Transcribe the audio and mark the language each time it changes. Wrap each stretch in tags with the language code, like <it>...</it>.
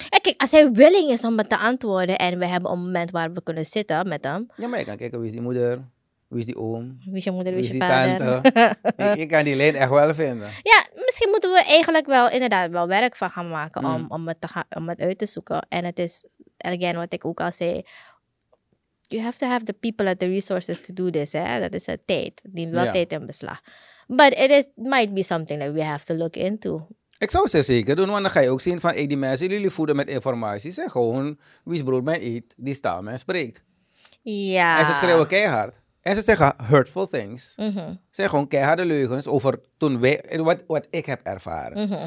<nl>En kijk, als hij willing is om het te antwoorden en we hebben een moment waar we kunnen zitten met hem. Ja, maar je kan kijken, wie is die moeder? Wie is die oom? Wie is je moeder? Wie is je vader? Tante? Ik kan die lijn echt wel vinden. Ja, misschien moeten we eigenlijk wel inderdaad wel werk van gaan maken om het uit te zoeken. En het is, again, wat ik ook al zei.</nl> <en>You have to have the people and the resources to do this.</en> <nl>Dat is een tijd. Die wel tijd in beslag.</nl> <en>But it is, might be something that we have to look into.</en> <nl>Ik zou ze zeker doen, want dan ga je ook zien van die mensen die jullie voeden met informatie zijn gewoon wie is brood men eet, die staat men spreekt. Ja. En ze schreeuwen keihard. En ze zeggen</nl> <en>hurtful things.</en> <nl>Ze zijn gewoon keiharde leugens over toen wat ik heb ervaren.</nl>